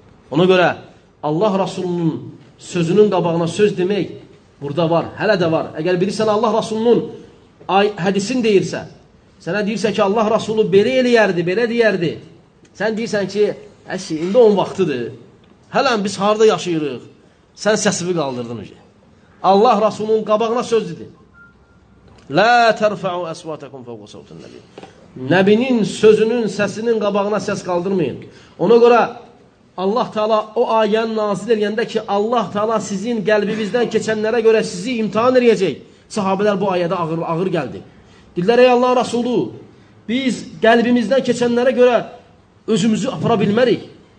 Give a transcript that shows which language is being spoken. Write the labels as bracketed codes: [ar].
[az] Ona görə Allah Rasulunun sözünün qabağına söz demək burada var, hələ də var. Əgər bilirsən Allah Rasulunun hədisin deyirsə, sənə deyirsə ki, Allah Rasulu belə eləyərdi, belə deyərdi. Sən deyirsən ki, əşi, indi onun vaxtıdır. Hələn biz harada yaşayırıq? Sən səsivi qaldırdın. Allah Rasulunun qabağına söz dedi. [ar] Lə tərfəu əsvatəkum fəvqə səvtun nəbiyyə. [az] Nəbinin sözünün səsinin qabağına səs qaldırmayın. Ona görə Allah Teala o ayəni nazil edəndə ki, Allah Teala sizin qəlbinizdən keçənlərə görə sizi imtahan edəcək. Sahabələr bu ayədə ağır ağır gəldi. Dillər ey Allah Rasulu, biz qəlbimizdən keçənlərə görə özümüzü apara bilmərik.